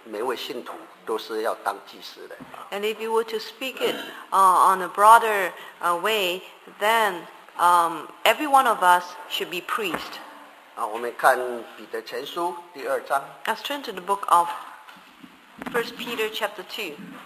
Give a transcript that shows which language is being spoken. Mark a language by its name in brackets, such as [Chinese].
[Chinese] 如果广义来讲，就指着我们每一位弟兄姐妹、每一位信徒都是要当祭司的。 [English] And if you were to speak it on a broader way, then every one of us should be priest. [Chinese] 我们看彼得前书第二章。 [English] Let's turn to the book of 1 Peter chapter 2.